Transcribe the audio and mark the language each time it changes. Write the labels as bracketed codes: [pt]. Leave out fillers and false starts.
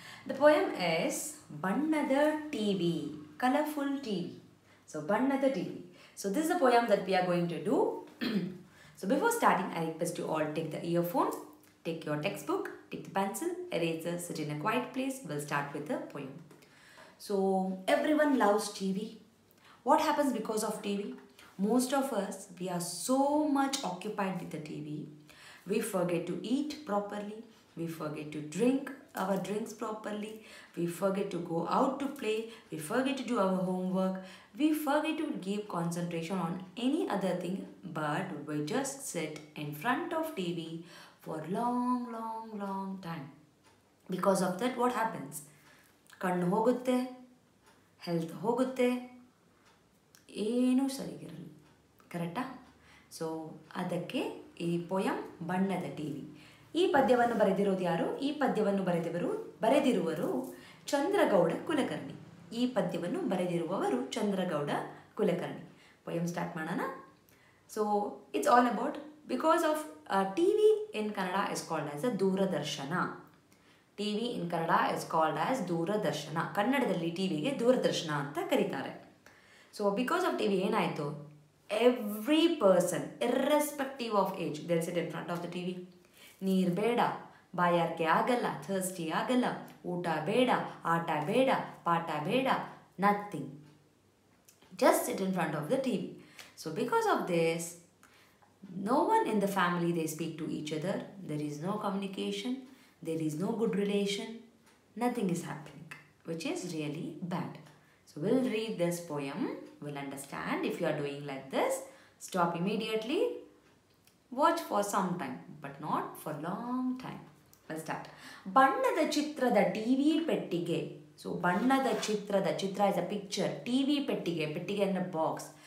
[en] The poem is ಬಣ್ಣದ TV, colourful TV. So ಬಣ್ಣದ TV, so this is the poem that we are going to do. So before starting I request you all take the earphones, take your textbook, take the pencil, eraser, sit in a quiet place. Will start with the poem. So everyone loves TV. What happens because of TV? Most of us, we are so much occupied with the TV, we forget to eat properly, we forget to drink our drinks properly, we forget to go out to play, we forget to do our homework, we forget to give concentration on any other thing, but we just sit in front of TV for long time. Because of that, what happens? [kn] ಕಣ್ಣು ಹೋಗುತ್ತೆ, health ಹೋಗುತ್ತೆ, ಏನೂ ಸರಿಗಿರಲ್ಲ, ಕರೆಕ್ಟಾ? So ಅದಕ್ಕೆ ಈ poem ಬಣ್ಣದ TV. ಈ ಪದ್ಯವನ್ನು ಬರೆದಿರೋದು ಯಾರು? ಈ ಪದ್ಯವನ್ನು ಬರೆದಿರುವರು ಚಂದ್ರಗೌಡ ಕುಲಕರ್ಣಿ. ಈ ಪದ್ಯವನ್ನು ಬರೆದಿರುವವರು ಚಂದ್ರಗೌಡ ಕುಲಕರ್ಣಿ. ಪೊಯಮ್ ಸ್ಟಾರ್ಟ್ ಮಾಡೋಣ. [en] So it's all about because of TV in Kannada is called as a Dooradarshana. TV in Kannada is called as Dooradarshana. [kn] ಕನ್ನಡದಲ್ಲಿ ಟಿವಿಗೆ ದೂರದರ್ಶನ ಅಂತ ಕರೀತಾರೆ. [en] so because of TV [kn] ಏನಾಯಿತು? [en] Every person irrespective of age there sit in front of the TV. [kn] ನೀರು ಬೇಡ, ಬಾಯಾರಿಕೆ ಆಗಲ್ಲ, thirsty ಆಗಲ್ಲ, ಊಟ ಬೇಡ, ಆಟ ಬೇಡ, ಪಾಠ ಬೇಡ, [en] Nothing, just sit in front of the TV. So because of this, no one in the family they speak to each other, there is no communication, there is no good relation, nothing is happening, which is really bad. So we'll read this poem, we'll understand. If you are doing like this, stop immediately, watch for some time, but not for long time. Let's start. [kn] Bannada chitrada TV pettige. [en] So bannada chitrada, chitra is a picture, TV pettige, pettige in a box.